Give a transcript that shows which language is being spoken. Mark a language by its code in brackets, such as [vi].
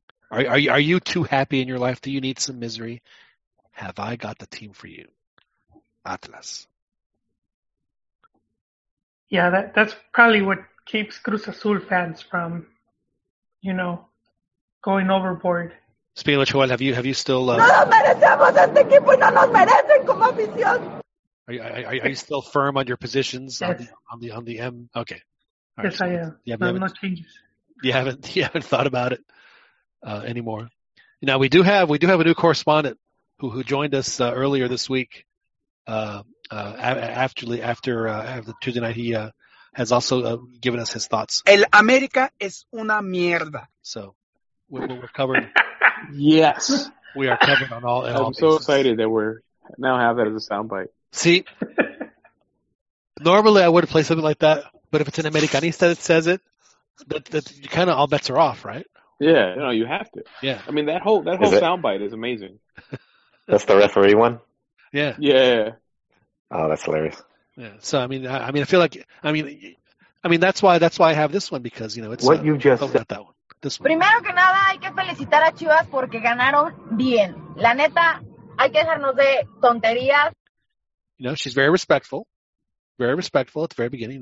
[en] Are you too happy in your life? Do you need some misery? Have I got the team for you? Atlas. Yeah, that's probably what keeps Cruz Azul fans from, you know, going overboard. Speaking of Joel, have you still? [es] No, merecemos este equipo y no nos merecen como afición. [en] Are you still firm on your positions? Yes. On the M. Okay. Right, yes, so I am. No changes. You haven't thought about it anymore. Now we do have a new correspondent who joined us earlier this week. After Tuesday night, he has also given us his thoughts. [es] El América es una mierda. [en] So we're covered. Yes, we are covered on all. I'm so excited that we're now have that as a soundbite. See, normally I would play something like that, but if it's an Americanista that says it, that you kind of all bets are off, right? Yeah, no, you have to. Yeah, I mean that whole soundbite is amazing. That's the referee one. Yeah. Yeah. Oh, that's hilarious! Yeah, so I feel like that's why I have this one because you know it's what you just said. Got that one. This one. [es] Primero que nada, hay que felicitar a Chivas porque ganaron bien. La neta, hay que dejarnos de tonterías. [en] You know, she's very respectful at the very beginning.